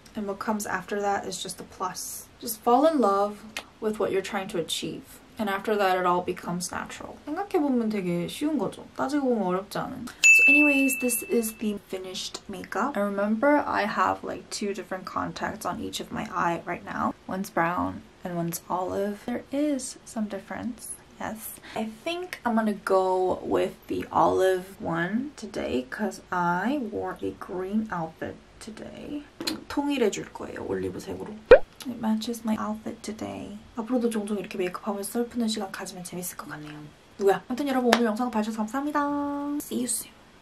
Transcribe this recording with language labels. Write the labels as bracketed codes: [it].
[en] And what comes after that is just a plus. Just fall in love with what you're trying to achieve. And after that, it all becomes natural. [ko] 생각해보면 되게 쉬운 거죠. 따지고 보면 어렵지 않은. [en] So anyways, this is the finished makeup. And remember, I have like two different contacts on each of my eye right now. One's brown and one's olive. There is some difference. Yes. I think I'm gonna go with the olive one today because I wore a green outfit today. [ko] 통일해줄 거예요, 올리브색으로. [en] It matches my outfit today. [ko] 앞으로도 종종 이렇게 메이크업하면 서 슬프는 시간 가지면 재밌을 것 같네요. 누구야? 아무튼 여러분 오늘 영상 봐주셔서 감사합니다. [en] See you soon.